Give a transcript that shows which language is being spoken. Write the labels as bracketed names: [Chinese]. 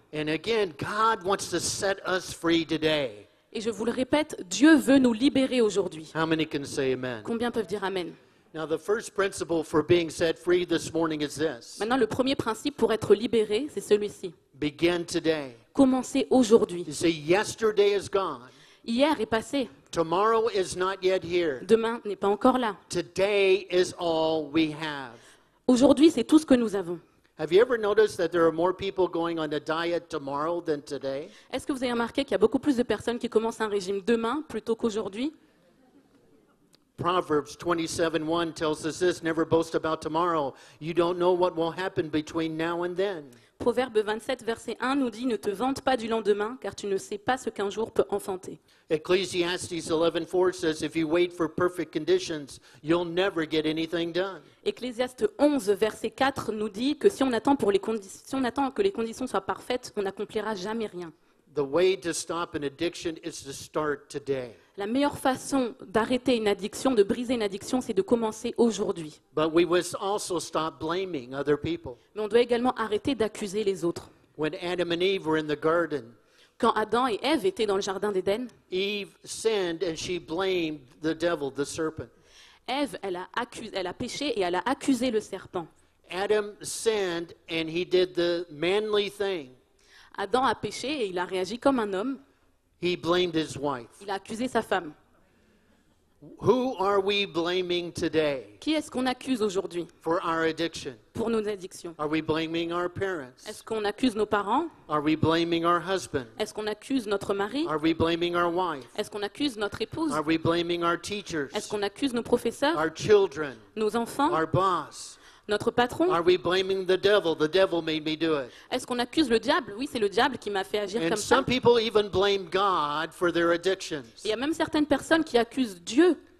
[English] And again, God wants to set us free today. [French] Et je vous le répète, Dieu veut nous libérer aujourd'hui. [English] How many can say amen? [French] Combien peuvent dire amen? [English] Now the first principle for being set free this morning is this. [French] Maintenant, le premier principe pour être libéré, c'est celui-ci. [English] Begin today. [French] Commencez aujourd'hui. [English] You say, yesterday is gone. [French] Hier est passé. [English] Tomorrow is not yet here. [French] Demain n'est pas encore là. [English] Today is all we have. [French] Aujourd'hui, c'est tout ce que nous avons. [English] Have you ever noticed that there are more people going on a diet tomorrow than today? [French] Est-ce que vous avez remarqué qu'il y a beaucoup plus de personnes qui commencent un régime demain plutôt qu'aujourd'hui? [English] Proverbs 27:1 tells us this, never boast about tomorrow. You don't know what will happen between now and then. [French] Proverbe 27 verset 1 nous dit ne te vante pas du lendemain car tu ne sais pas ce qu'un jour peut enfanter. [English] Ecclesiastes 11:4 says if you wait for perfect conditions, you'll never get anything done. [French] Ecclésiaste 11 verset 4 nous dit que si on attend pour les conditions, si on attend que les conditions soient parfaites, on n'accomplira jamais rien. [English] The way to stop an addiction is to start today. [French] La meilleure façon d'arrêter une addiction, de briser une addiction, c'est de commencer aujourd'hui. [English] But we must also stop blaming other people. [French] Mais on doit également arrêter d'accuser les autres. [English] When Adam and Eve were in the garden, [French] quand Adam et Ève étaient dans le jardin d'Éden, [English] Eve sinned and she blamed the devil, the serpent. [French] Ève, elle a péché et elle a accusé le serpent. [English] Adam sinned and he did the manly thing. [French] Adam a péché et il a réagi comme un homme. [English] He blamed his wife. [French] Il a accusé sa femme. [English] Who are we blaming today? [French] Qui est-ce qu'on accuse aujourd'hui? [English] For our addiction. [French] Pour nos addictions. [English] Are we blaming our parents? [French] Est-ce qu'on accuse nos parents? [English] Are we blaming our husband? [French] Est-ce qu'on accuse notre mari? [English] Are we blaming our wife? [French] Est-ce qu'on accuse notre épouse? [English] Are we blaming our teachers? [French] Est-ce qu'on accuse nos professeurs? [English] Our children. [French] Nos enfants? [English] Our boss. [French] Notre patron. [English] Are we blaming the devil? The devil made me do it. [French] Est-ce qu'on accuse le diable? Oui, c'est le diable qui m'a fait agir and comme some ça. [English] Some people even blame God for their addictions. [French] Il y a même certaines personnes qui accusent Dieu.